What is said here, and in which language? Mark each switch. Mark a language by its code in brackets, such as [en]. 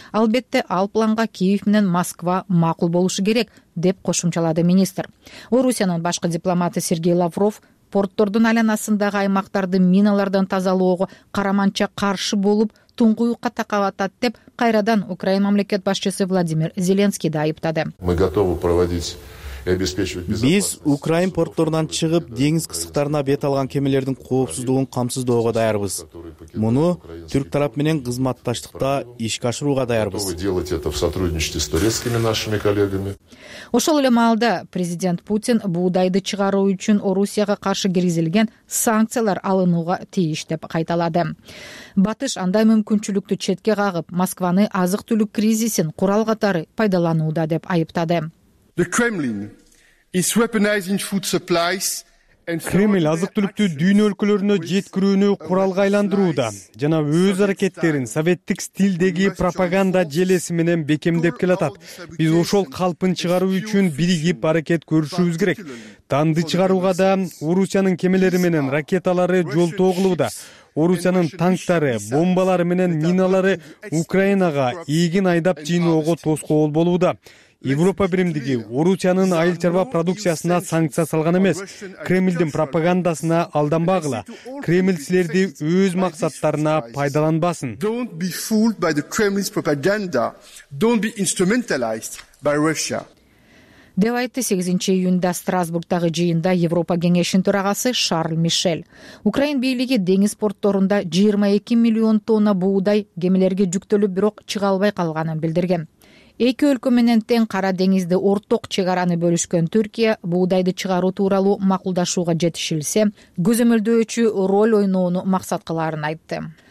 [ky] Албетте, ал планга Киев менен Москва макул болушу керек деп кошумчалады министр. Орусиянын башкы дипломаты Сергей Лавров портордун айланасындагы аймактарды миналардан тазалоого караманча каршы болуп, туңгуюкка такап атат деп кайрадан Украина мамлекет башчысы Владимир Зеленскийди айыптады. [ru] Мы готовы проводить и обеспечивать безопасность. [ky] Биз Украин портторунан чыгып, деңиз кысыктарына бет алган кемелердин коопсуздугун камсыздоого даярбыз. Муну түрк тарап менен кызматташтыкта ишке ашырууга даярбыз. [ru] Готовы делать это в сотрудничестве с турецкими нашими коллегами. [ky] Ошол эле маалда президент Путин буудайды чыгаруу үчүн Орусияга каршы киргизилген санкциялар алынууга тийиш деп кайталады. Батыш андай мүмкүнчүлүктү четке кагып, Москваны азык-түлүк кризисин курал катары пайдаланууда деп айыптады. [en] The Kremlin is weaponizing food supplies. [ky] Кремль азык-түлүктү дүйнө өлкөлөрүнө жеткирүүнү куралга айландырууда жана өз аракеттерин советтик стилдеги пропаганда желеси менен бекемдеп келатат. Биз ошол калпын чыгаруу үчүн биригип аракет көрүшүбүз керек. Данды чыгарууга да Орусиянын кемелери менен ракеталары жол тогулууда. Орусиянын танктары, бомбалары менен миналары Украинага ийгин айдап жыйноого тоскоол болууда. Европа биримдиги Орусиянын айыл чарба продукциясына санкция салган эмес. Кремлдин пропагандасына алданбагыла. Кремль силерди өз максаттарына пайдаланбасын. [en] Don't be fooled by the Kremlin's propaganda. Don't be instrumentalized by Russia. [ky] Деп айтты 8-июнда Страсбургтагы жыйында Европа кеңешинин төрагасы Шарль Мишель. Украин бийлиги деңиз портторунда 22 миллион тонна буудай кемелерге жүктөлүп, бирок чыга албай калганын билдирген. Эки өлкө менен тең Кара деңизди орток чыгараны бөлүшкөн Түркия буудайды чыгаруу тууралуу макулдашууга жетишилсе, көзөмөлдөөчү роль ойноону максат кыларын айтты.